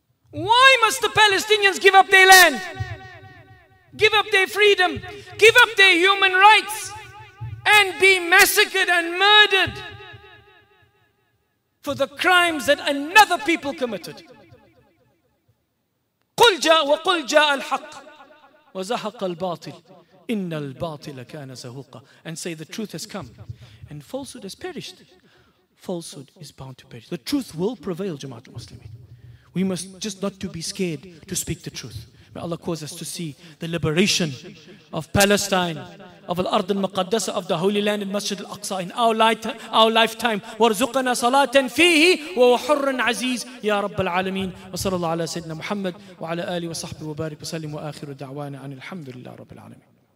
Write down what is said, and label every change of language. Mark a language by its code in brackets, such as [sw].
[en] Why must the Palestinians give up their land? Give up their freedom? Give up their human rights? And be massacred and murdered for the crimes that another people committed. [ar] قل جاء وقل جاء الحق وزهق الباطل إن الباطل كان زهوقا. [en] And say the truth has come and falsehood has perished. Falsehood is bound to perish. The truth will prevail, Jamaat al-Muslimin. We must just not to be scared to speak the truth. May Allah cause us to see the liberation of Palestine, of al-Ard al-Muqaddasa, of the Holy Land in Masjid al-Aqsa in our lifetime. [ar] وَرْزُقَنَا صَلَاةً فِيهِ وَوَحُرًّا عَزِيزٍ يَا رَبَّ الْعَالَمِينَ وصلى الله على سيدنا محمد وعلى آله وصحبه وبارك وسلم وآخر دعوانا عن الحمد لله رب العالمين.